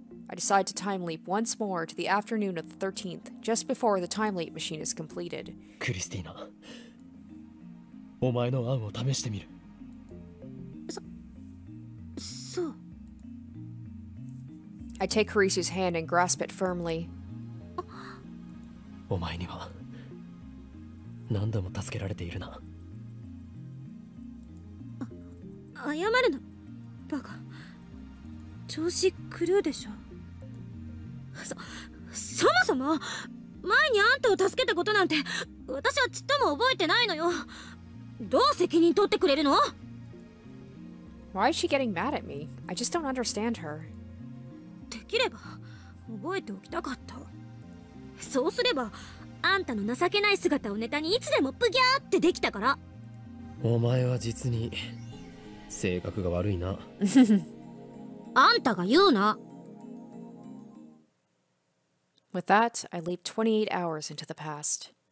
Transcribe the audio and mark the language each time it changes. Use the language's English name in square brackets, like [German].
[English] I decide to time leap once more to the afternoon of the 13th, just before the time leap machine is completed. [Japanese] Christina, お前の案を試してみる。 [English] I take Carisu's hand and grasp it firmly. [Japanese] お前には何度も助けられているな。謝るの、バカ。調子狂うでしょ。そもそも前にあんたを助けたことなんて私はちっとも覚えてないのよ。どう責任取ってくれるの？ [English] Why is she getting mad at me? I just don't understand her. [Japanese] できれば覚えておきたかった。そうすればあんたの情けない姿をネタにいつでもプギャーってできたから。お前は実に性格が悪いな。あんたが言うな。 [English] With that, I leap 28 hours into the past.